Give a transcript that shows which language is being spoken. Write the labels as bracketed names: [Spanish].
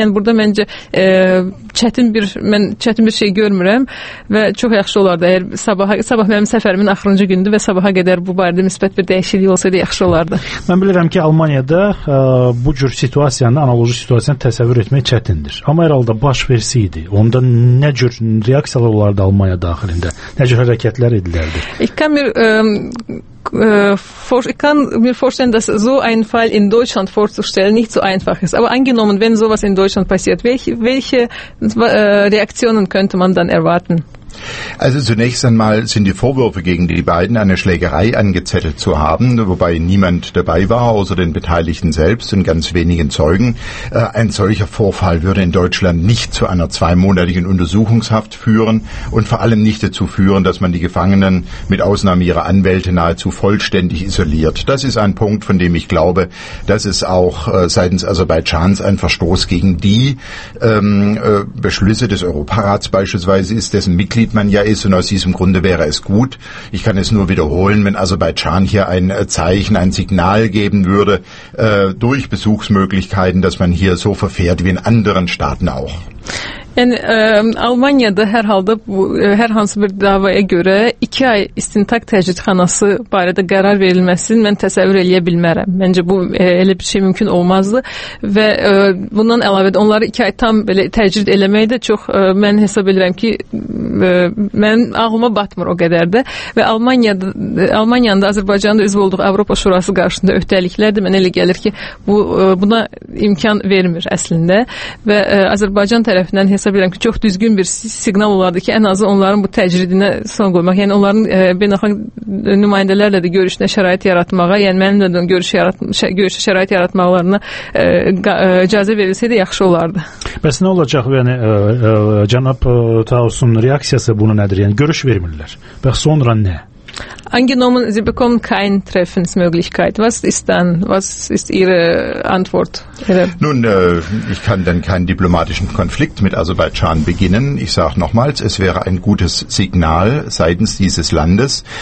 [Azerbaijani] Yəni burada məncə çətin bir şey görmürəm və çox yaxşı olardı. Əgər sabah mənim səfərimin axırıncı günüdür və sabaha qədər bu barədə müsbət bir dəyişiklik olsaydı yaxşı olardı. Mən bilirəm ki, Almaniyada bu cür situasiyanı, analoji situasiyanı təsəvvür etmək çətindir. Amma hər halda baş versiydi, onda nə cür reaksiyalar olardı Almaniyada? [German] Ich kann mir vorstellen, dass so ein Fall in Deutschland vorzustellen nicht so einfach ist. Aber angenommen, wenn sowas in Deutschland passiert, welche Reaktionen könnte man dann erwarten? Also zunächst einmal sind die Vorwürfe gegen die beiden, eine Schlägerei angezettelt zu haben, wobei niemand dabei war, außer den Beteiligten selbst und ganz wenigen Zeugen. Ein solcher Vorfall würde in Deutschland nicht zu einer zweimonatigen Untersuchungshaft führen und vor allem nicht dazu führen, dass man die Gefangenen mit Ausnahme ihrer Anwälte nahezu vollständig isoliert. Das ist ein Punkt, von dem ich glaube, dass es auch seitens Aserbaidschans ein Verstoß gegen die Beschlüsse des Europarats beispielsweise ist, dessen Mitglied man ja ist, und aus diesem Grunde wäre es gut, ich kann es nur wiederholen, wenn Aserbaidschan hier ein Zeichen, ein Signal geben würde, durch Besuchsmöglichkeiten, dass man hier so verfährt wie in anderen Staaten auch. [Azerbaijani] Yani Almanya'da herhalde bu, herhangi bir davaya göre 2 ay istintak tecridxanası barədə qərar verilməsini mən təsəvvür eləyə bilmərəm. Məncə bu elə bir şey mümkün olmazdı və bundan əlavə də onları 2 ay tam belə təcrid eləmək də çox mən hesab edirəm ki mən ağlıma batmır o qədər də və Almanya'nın da Azərbaycanın da üzv olduğu Avropa Şurası qarşısında öhdəliklərdir. Mən elə gəlir ki bu buna imkan vermir əslində və Azərbaycan tərəfindən hesab edirəm ki, çox düzgün bir siqnal olardı ki, ən azı onların bu təcridinə son qoymaq, yəni onların beynəlxalq nümayəndələrlə də görüşünə şərait yaratmağa, yəni mənimlə də görüşə şərait yaratmaqlarına icazə verilsəydi, yaxşı olardı. Bəs nə olacaq? Yəni, cənab Tausun reaksiyası buna nədir? Yəni, görüş vermirlər. Bəs sonra nə? [German] Angenommen, Sie bekommen kein Treffensmöglichkeit. Was ist dann? Was ist Ihre Antwort? Nun, ich kann dann keinen diplomatischen Konflikt mit Aserbaidschan beginnen. Ich sage nochmals, es wäre ein gutes Signal seitens dieses Landes.